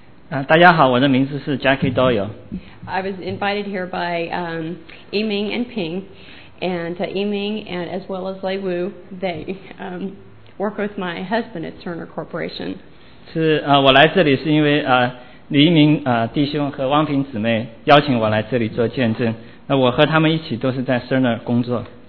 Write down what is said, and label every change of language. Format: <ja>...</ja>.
<zh>大家好，我的名字是 Jackie Doyle.</zh> <en>I was invited here by Yiming and Ping, and Yiming and as well as Lei Wu, they work with my husband at Turner Corporation.</en> <zh>是我来这里是因为黎明弟兄和汪平姊妹邀请我来这里做见证。那我和他们一起都是在 Turner 工作。</zh>